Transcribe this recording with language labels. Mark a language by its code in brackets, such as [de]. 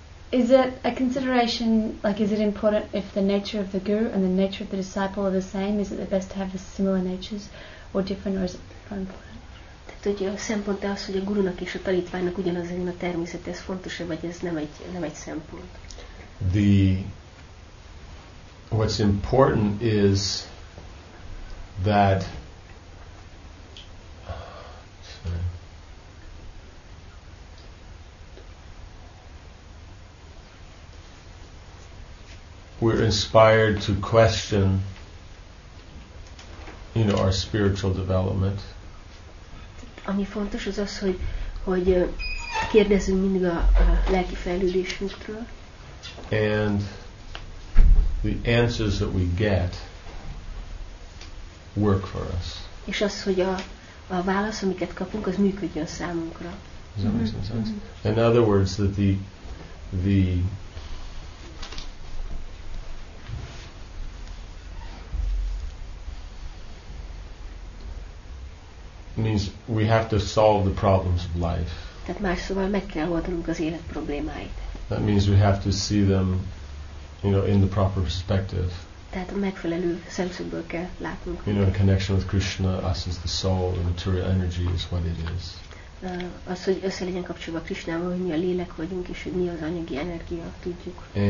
[en] Is it a consideration, like, is it important if the nature of the guru and the nature of the disciple are the same? Is it the best to have the similar natures or different, or is it not important? [hu] Tehát, hogy a szempont az, hogy a gurunak és a tanítványnak ugyanaz legyen a természet, ez fontos-e, vagy ez nem egy szempont? [en] What's important is that we're inspired to question, you know, our spiritual development. [hu] Ami fontos az az, hogy kérdezünk mindig a lelki fejlődésünkről. [en] And the answers that we get work for us. [hu] És az, hogy a válasz, amiket kapunk, az működjön számunkra. [en] Does that make some sense? Mm-hmm. In other words, that the means we have to solve the problems of life. [hu] Tehát más szóval meg kell oldanunk az élet problémáit. [en] That means we have to see them, you know, in the proper perspective. [hu] Tehát a megfelelő szemszögből kell látnunk. [en] You know, in connection with Krishna, us as the soul, the material energy is what it is. [hu] Az, hogy össze legyen kapcsolva Krishnával, hogy mi a lélek vagyunk, és hogy mi az anyagi energia, tudjuk.